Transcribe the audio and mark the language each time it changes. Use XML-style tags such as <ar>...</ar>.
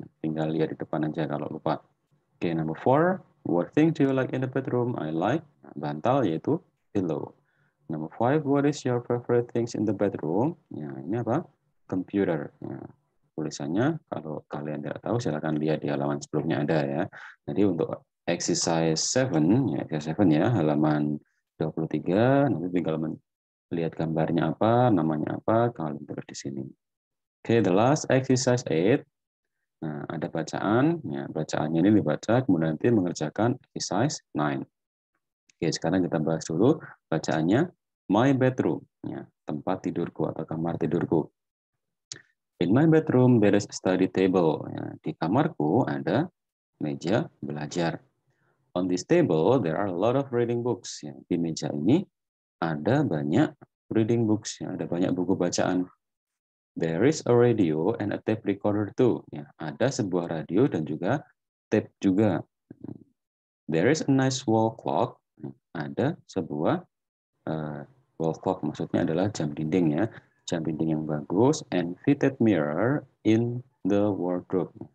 <id>Tinggal lihat di depan aja kalau lupa.</id> <en>Okay, number four, what things do you like in the bedroom? I like bantal, yaitu pillow. Number five, what is your favorite things in the bedroom? Yeah, ini apa? Computer. Yeah.</en> <id>Tulisannya, kalau kalian tidak tahu, silakan lihat di halaman sebelumnya ada ya. Jadi untuk exercise 7, ya, halaman 23, nanti tinggal melihat gambarnya apa, namanya apa, kalian tulis di sini.</id> <en>Okay, the last exercise 8.</en> <id>Nah, ada bacaan, ya, bacaannya ini dibaca, kemudian nanti mengerjakan exercise 9. Oke, sekarang kita bahas dulu bacaannya. My bedroom, ya, tempat tidurku atau kamar tidurku.</id> <en>In my bedroom, there is a study table.</en> <id>Di kamarku ada meja belajar.</id> <en>On this table, there are a lot of reading books.</en> <id>Di meja ini ada banyak</id> <en>reading books.</en> <id>Ada banyak buku bacaan.</id> <en>There is a radio and a tape recorder too.</en> <id>Ada sebuah radio dan juga tape juga.</id> <en>There is a nice wall clock.</en> <id>Ada sebuah wall clock, maksudnya adalah jam dinding ya. Jam dinding yang bagus,</id> <en>and fitted mirror in the wardrobe.</en>